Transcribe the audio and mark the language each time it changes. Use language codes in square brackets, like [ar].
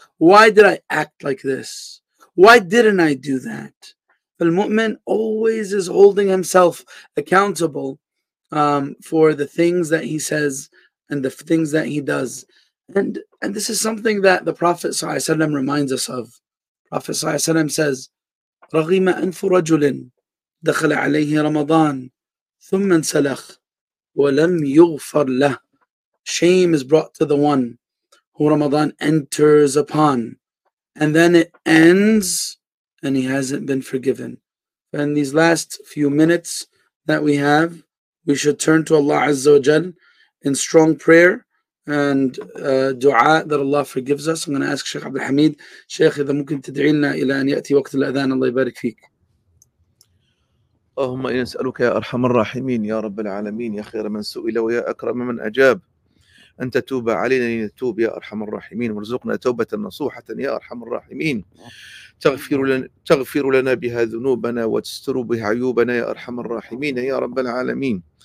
[en] Why did I act like this? Why didn't I do that? Al-Mu'min always is holding himself accountable for the things that he says and the things that he does. And this is something that the Prophet ﷺ reminds us of. Prophet ﷺ says, [ar] رغم أنف رجل دخل عليه رمضان ثم انسلخ ولم يغفر له. [en] Shame is brought to the one who Ramadan enters upon, and then it ends and he hasn't been forgiven. In these last few minutes that we have, we should turn to Allah Azza wa Jal in strong prayer and dua that Allah forgives us. I'm going to ask Sheikh Abdul Hamid. [ar] Sheikh, إذا ممكن تدعي لنا إلى أن يأتي وقت الأذان. الله يبارك فيك. اللهم إنا نسألك يا أرحم الراحمين يا رب العالمين يا خير من سئل ويا أكرم من أجاب أن تتوب علينا لنتوب يا أرحم الراحمين وارزقنا توبة نصوحة يا أرحم الراحمين تغفر لنا بها ذنوبنا وتستر بها عيوبنا يا أرحم الراحمين يا رب العالمين.